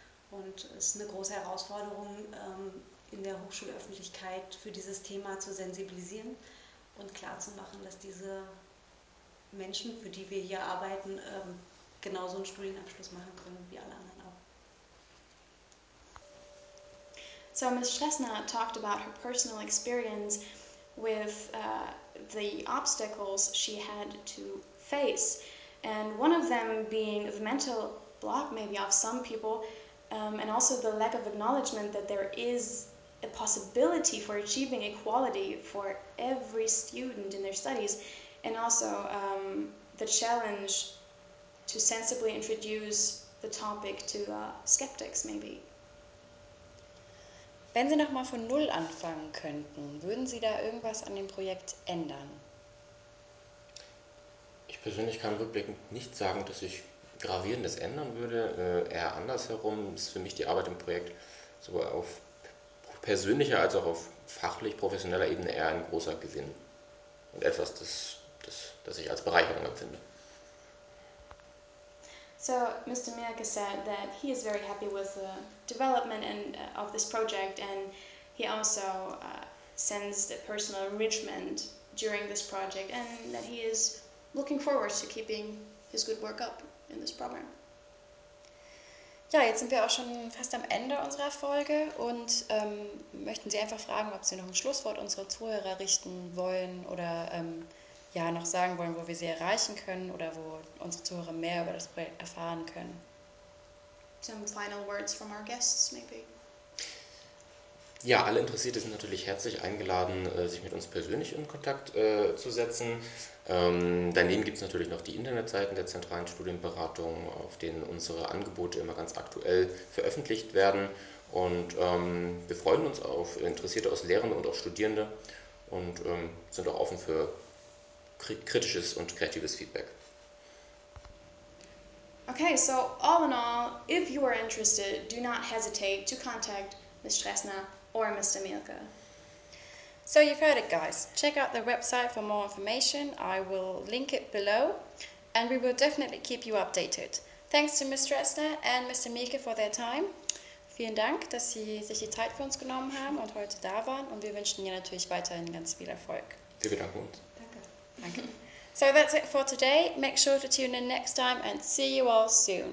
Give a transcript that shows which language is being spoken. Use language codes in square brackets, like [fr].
[de] Und es ist eine große Herausforderung, in der Hochschulöffentlichkeit für dieses Thema zu sensibilisieren und klarzumachen, dass diese Menschen, für die wir hier arbeiten, genauso einen Studienabschluss machen können wie alle anderen auch. [en] So Ms. Sträßner talked about her personal experience with the obstacles she had to face, and one of them being the mental block maybe of some people, and also the lack of acknowledgement that there is a possibility for achieving equality for every student in their studies, and also the challenge to sensibly introduce the topic to skeptics maybe. [de] Wenn Sie nochmal von Null anfangen könnten, würden Sie da irgendwas an dem Projekt ändern? Ich persönlich kann rückblickend nicht sagen, dass ich Gravierendes ändern würde. Eher andersherum ist für mich die Arbeit im Projekt sowohl auf persönlicher als auch auf fachlich-professioneller Ebene eher ein großer Gewinn und etwas, das ich als Bereicherung empfinde. [en] So, Mr. Mielke said that he is very happy with the development and of this project, and he also sends the personal enrichment during this project, and that he is looking forward to keeping his good work up in this program. [de] Ja, jetzt sind wir auch schon fast am Ende unserer Folge und möchten Sie einfach fragen, ob Sie noch ein Schlusswort unserer Zuhörer richten wollen oder ja, noch sagen wollen, wo wir sie erreichen können oder wo unsere Zuhörer mehr über das Projekt erfahren können. [en] Some final words from our guests, maybe. [de] Ja, alle Interessierte sind natürlich herzlich eingeladen, sich mit uns persönlich in Kontakt zu setzen. Daneben gibt es natürlich noch die Internetseiten der zentralen Studienberatung, auf denen unsere Angebote immer ganz aktuell veröffentlicht werden. Und wir freuen uns auf Interessierte aus Lehrende und auch Studierende und sind auch offen für kritisches und kreatives Feedback. [en] Okay, so all in all, if you are interested, do not hesitate to contact Ms. Sträßner or Mr. Mielke. So you've heard it, guys. Check out the website for more information. I will link it below, and we will definitely keep you updated. Thanks to Ms. Sträßner and Mr. Mielke for their time. [de] Vielen Dank, dass Sie sich die Zeit für uns genommen haben und heute da waren, und wir wünschen Ihnen natürlich weiterhin ganz viel Erfolg. Wir bedanken uns. [en] Okay. So that's it for today. Make sure to tune in next time and see you all soon.